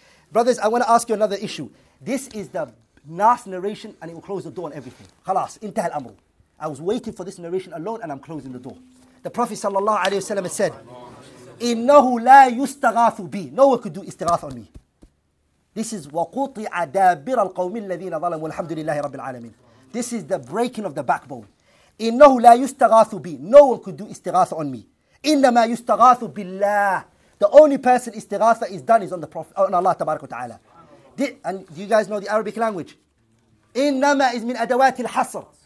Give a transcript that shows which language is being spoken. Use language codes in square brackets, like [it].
[en] Brothers, I want to ask you another issue. This is the last narration and it will close the door on everything. [ar] Khalas, intaha al-amru. [en] I was waiting for this narration alone and I'm closing the door. The Prophet sallallahu alayhi wa sallam has said, [ar] إِنَّهُ لَا يُسْتَغَاثُ بِي. [en] No one could do istighath on me. This is [ar] وَقُطِعَ دَابِرَ الْقَوْمِ الَّذِينَ ظَلَمُوا الْحَمْدُ لِلَّهِ رَبِّ الْعَالَمِينَ. [en] This is the breaking of the backbone. [ar] إِنَّهُ لَا يُسْتَغَاثُ بِي. [en] No one could do istighath on me. [ar] إِنَّمَا يُسْتَغَاثُ بِاللَّهِ. [en] The only person istighatha is done is on the Prophet, on Allah tabarak wa ta'ala. And do you guys know the Arabic language? [ar] إِنَّمَا [en] is [ar] مِنْ أَدَوَاتِ الْحَصْرِ.